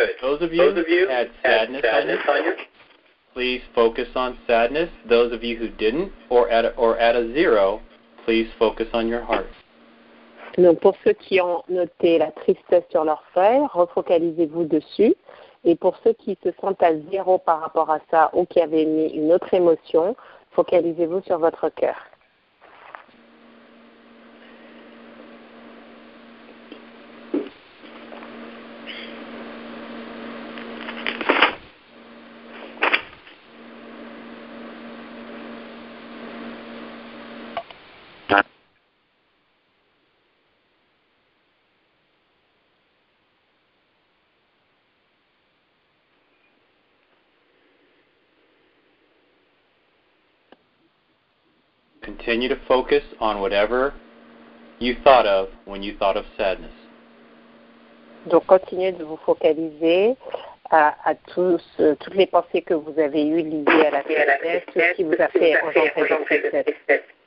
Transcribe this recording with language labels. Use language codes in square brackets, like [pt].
[en] Those of you who had sadness on you, please focus on sadness. Those of you who didn't, or at a zero, please focus on your heart. [fr] Donc, pour ceux qui ont noté la tristesse sur leur feuille, refocalisez-vous dessus. Et pour ceux qui se sentent à zéro par rapport à ça ou qui avaient mis une autre émotion, focalisez-vous sur votre cœur. [en] Continue to focus on whatever you thought of when you thought of sadness. [fr] Donc, continuez de vous focaliser à toutes les pensées que vous avez eues liées à la tristesse, tout ce qui vous a fait engendrer la tristesse.